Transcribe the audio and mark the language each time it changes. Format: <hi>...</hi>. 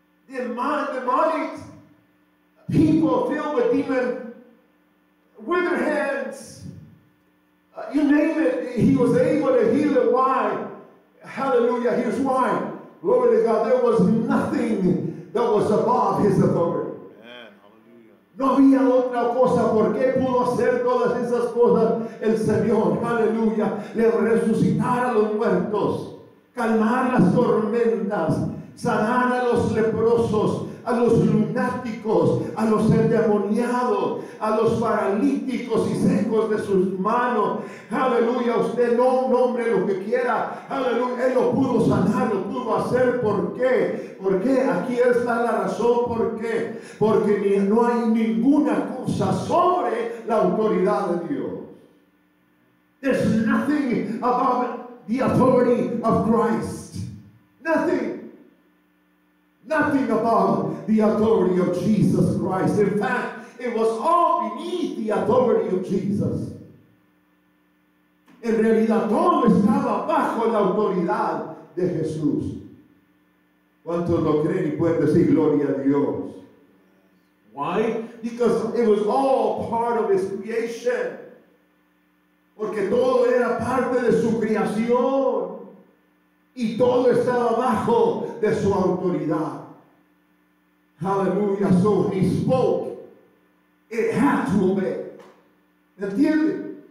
<en>Demonic. People filled with demon. Withered hands. You name it. He was able to heal it. Why? Hallelujah. Here's why. Glory to God. There was nothing that was above his authority.</en> <es>No había otra cosa. ¿Por qué pudo hacer todas esas cosas el Señor? Aleluya. Le resucitar a los muertos, calmar las tormentas, sanar a los leprosos, a los lunáticos, a los endemoniados, a los paralíticos y secos de sus manos. Aleluya. Usted no nombre lo que quiera. Aleluya. Él lo pudo sanar, lo pudo hacer. ¿Por qué? ¿Por qué? Aquí está la razón. ¿Por qué? Porque no hay ninguna cosa sobre la autoridad de Dios.</es> <en>There's nothing above the authority of Christ. Nothing. Nothing above the authority of Jesus Christ. In fact, it was all beneath the authority of Jesus.</en> <es>En realidad, todo estaba bajo la autoridad de Jesús. ¿Cuántos lo creen y pueden decir gloria a Dios?</es> <en>Why? Because it was all part of his creation.</en> <es>Porque todo era parte de su creación. Y todo estaba bajo de su autoridad. Hallelujah. So he spoke. It had to obey. ¿Entiende?</es>